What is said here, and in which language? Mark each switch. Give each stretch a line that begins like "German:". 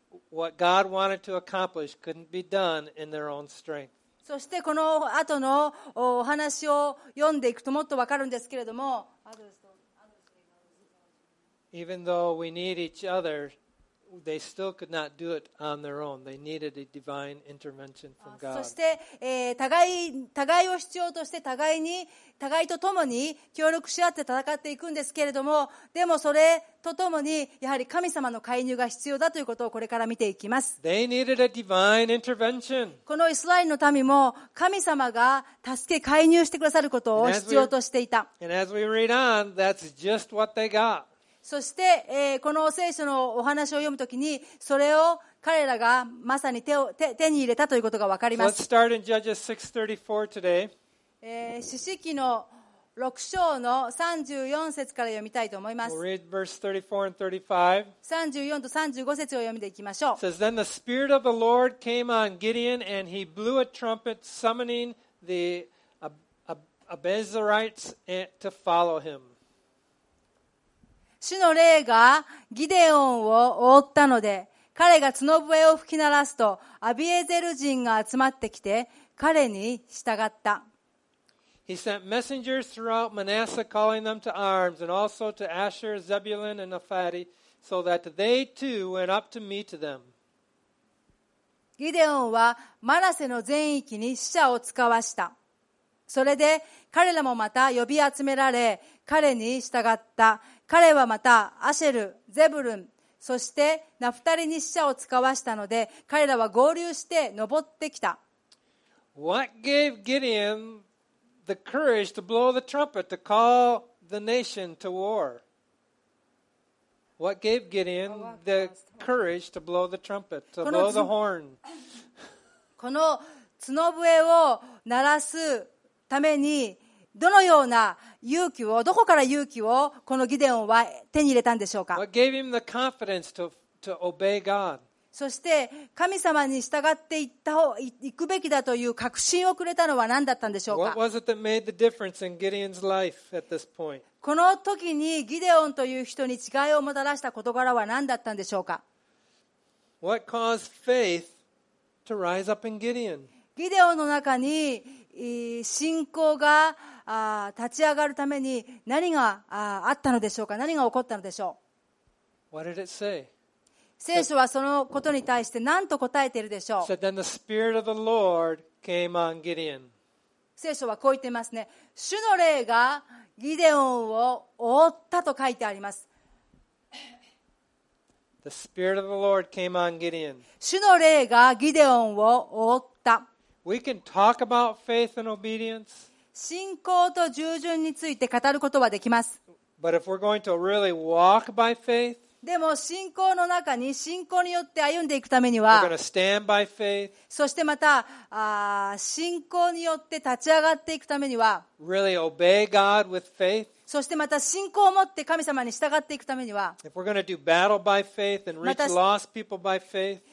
English: What God wanted to accomplish couldn't be done in their own strength.
Japanese: そしてこの後のお話を読んでいくともっとわかるんですけれども、
English: Even though we need each other, they still could not do it on their own. They needed a divine intervention from God.
Japanese: そして、互いを必要として互いと共に協力し合って戦っていくんですけれども、でもそれとともにやはり神様の介入が必要だということをこれから見ていきます。
English: They needed a divine intervention.
Japanese: このイスラエルの民も神様が助け介入してくださることを必要としていた。
English: And as we read on, that's just what they got.
Japanese: そして、この聖書のお話を読むときにそれを彼らがまさに手に入れたということが分かります。
English: Let's start in Judges 6:34 today.
Japanese: 詩式の6章の34節から読みたいと思います。
English: We'll read verse 34 and 35. 34
Japanese: と35節を読んでいきましょう。
English: It says, Then the Spirit of the Lord came on Gideon, and he blew a trumpet, summoning the Abiezrites to follow him.
Japanese: 主の霊がギデオンを覆ったので、彼が角笛を吹き鳴らすと、アビエゼル人が集まってきて、彼に従った。
English: He sent messengers throughout Manasseh calling them to arms, and also to Asher, Zebulun, and Naphtali, so that they too went up to meet them.
Japanese: ギデオンはマナセの全域に使者を遣わした。それで彼らもまた呼び集められ、彼に従った。彼はまたアシェル、ゼブルン、そしてナフタリに使者を使わしたので、彼らは合流して登ってきた。
English: What gave Gideon the courage to blow the trumpet to call the nation to war? What gave Gideon the courage to blow the trumpet to blow the horn?
Japanese: この角笛を鳴らすためにどのような勇気をどこから勇気をこのギデオンは手に入れたんでしょうか。
English: What gave him the confidence to obey God?
Japanese: そして神様に従っていった方行くべきだという確信をくれたのは何だったんでしょうか。
English: What was it that made the difference in Gideon's life at this point?
Japanese: この時にギデオンという人に違いをもたらした事柄は何だったんでしょうか。
English: What caused faith to rise up in Gideon?
Japanese: ギデオンの中に信仰が立ち上がるために何があったのでしょうか。何が起こったのでしょう。
English: What did it say?
Japanese: 聖書はそのことに対して何と答えているでしょう。
English: So then the Spirit of the Lord came on Gideon.
Japanese: 聖書はこう言ってますね。主の霊がギデオンを覆ったと書いてあります。
English: The Spirit of the Lord came on Gideon.
Japanese: 主の霊がギデオンを覆った。
English: We can talk about faith and obedience.
Japanese: 信仰と従順について語ることはできます。
English: But if we're going to really walk by faith,
Japanese: でも信仰の中に信仰によって歩んでいくためには、
English: we're going to stand by faith.
Japanese: そしてまた信仰によって立ち上がっていくためには、
English: really obey God with faith.
Japanese: そしてまた信仰を持って神様に従っていくためには、
English: if we're going to do battle by faith and reach lost people by faith.